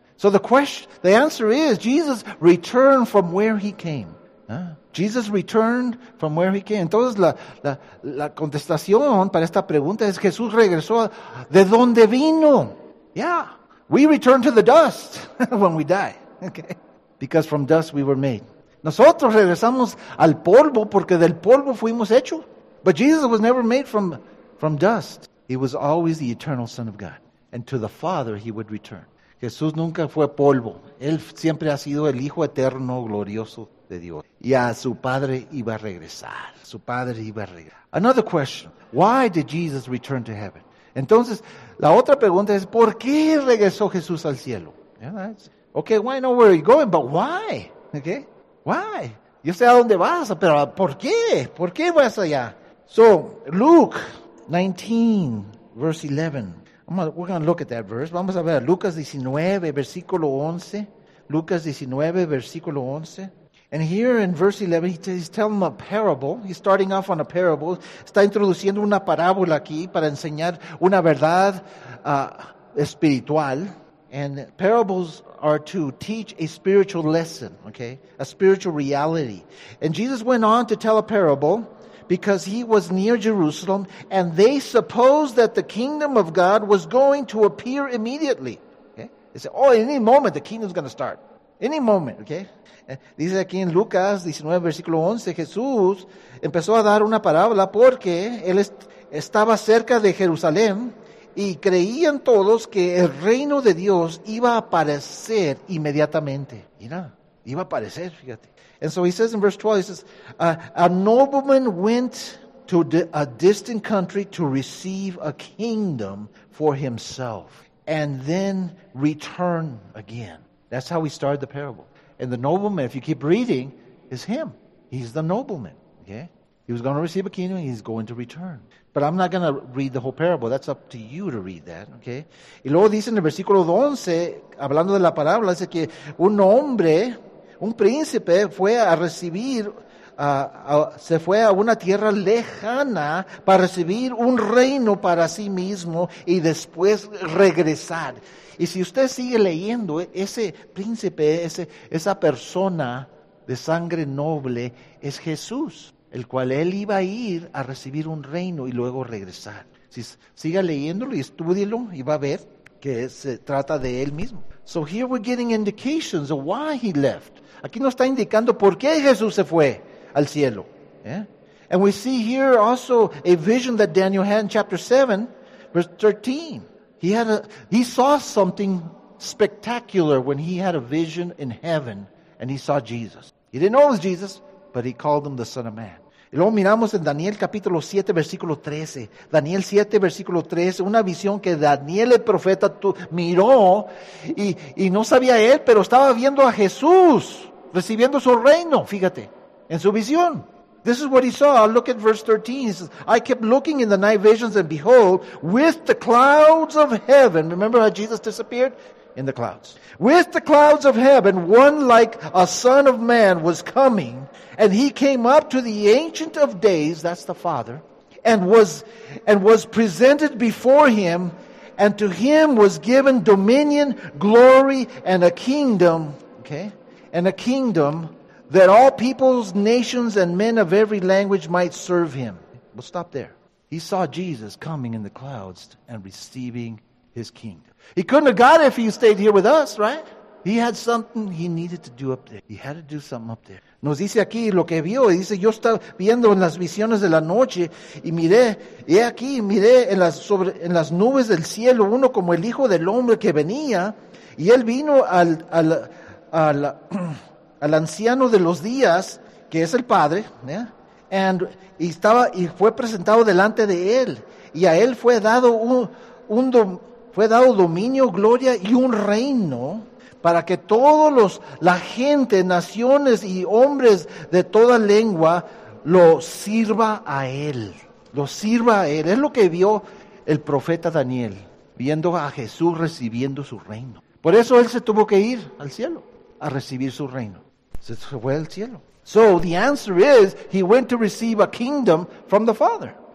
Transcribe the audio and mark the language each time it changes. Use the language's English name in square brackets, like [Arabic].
[English] So the answer is Jesus returned from where he came. Jesus returned from where he came. [Spanish] Entonces la contestación para esta pregunta es Jesús regresó de donde vino. [English] Yeah, we return to the dust when we die. Okay, because from dust we were made. [Spanish] Nosotros regresamos al polvo porque del polvo fuimos hecho. [English] But Jesus was never made from dust. He was always the eternal Son of God. And to the Father he would return. [Spanish] Jesús nunca fue polvo. Él siempre ha sido el Hijo eterno, glorioso de Dios. Y a su Padre iba a regresar. Su Padre iba a regresar. [English] Another question. Why did Jesus return to heaven? [Spanish] Entonces, la otra pregunta es, ¿por qué regresó Jesús al cielo? [English] Yeah, okay, well, I know where you're going, but why? Okay, why? [Spanish] Yo sé a dónde vas, pero ¿por qué? ¿Por qué vas allá? [English] So, Luke 19, verse 11. We're going to look at that verse. [Spanish] Vamos a ver Lucas 19, versículo 11. Lucas 19, versículo 11. [English] And here in verse 11, he's telling a parable. He's starting off on a parable. Está introduciendo una parábola aquí para enseñar una verdad espiritual. And parables are to teach a spiritual lesson, okay? A spiritual reality. And Jesus went on to tell a parable because he was near Jerusalem, and they supposed that the kingdom of God was going to appear immediately. Okay? They said, oh, any moment the kingdom's going to start. Any moment, okay? [Spanish] Dice aquí en Lucas 19, versículo 11, Jesús empezó a dar una parábola porque él estaba cerca de Jerusalén y creían todos que el reino de Dios iba a aparecer inmediatamente. Mira, iba a aparecer, fíjate. [English] And so he says in verse 12, he says, a nobleman went to a distant country to receive a kingdom for himself and then return again. That's how he started the parable. And the nobleman, if you keep reading, is him. He's the nobleman. Okay? He was going to receive a kingdom and he's going to return. But I'm not going to read the whole parable. That's up to you to read that. Okay? [Spanish] Y luego dice en el versículo 11, hablando de la parábola, dice que un hombre... Un príncipe fue a recibir, se fue a una tierra lejana para recibir un reino para sí mismo y después regresar. Y si usted sigue leyendo, ese príncipe, esa persona de sangre noble es Jesús, el cual él iba a ir a recibir un reino y luego regresar. Si siga leyéndolo y estúdielo, y va a ver que se trata de él mismo. [English] So here we're getting indications of why he left. [Spanish] Aquí nos está indicando por qué Jesús se fue al cielo. [English] Yeah? And we see here also a vision that Daniel had in chapter 7, verse 13. He saw something spectacular when he had a vision in heaven and he saw Jesus. He didn't know it was Jesus, but he called him the Son of Man. [Spanish] Y luego miramos en Daniel capítulo 7, versículo 13. Daniel 7, versículo 13, una visión que Daniel el profeta miró y no sabía él, pero estaba viendo a Jesús recibiendo su reino, fíjate, en su visión. [English] This is what he saw. I'll look at verse 13. He says, I kept looking in the night visions and behold, with the clouds of heaven. Remember how Jesus disappeared? In the clouds. With the clouds of heaven, one like a son of man was coming, and he came up to the Ancient of Days, that's the Father, and was presented before him, and to him was given dominion, glory, and a kingdom, okay, and a kingdom that all peoples, nations, and men of every language might serve him. We'll stop there. He saw Jesus coming in the clouds and receiving his kingdom. He couldn't have got it if he stayed here with us, right? He had something he needed to do up there. He had to do something up there. [Spanish] Nos dice aquí lo que vio. Dice, yo estaba viendo en las visiones de la noche y miré, he aquí, miré en las nubes del cielo uno como el Hijo del Hombre que venía y él vino al anciano de los días, que es el Padre, yeah? y fue presentado delante de él y a él fue dado fue dado dominio, gloria y un reino para que todos la gente, naciones y hombres de toda lengua lo sirva a él. Lo sirva a él. Es lo que vio el profeta Daniel, viendo a Jesús recibiendo su reino. Por eso él se tuvo que ir al cielo a recibir su reino. Se fue al cielo. [English] So the answer is, he went to receive a kingdom from the Father.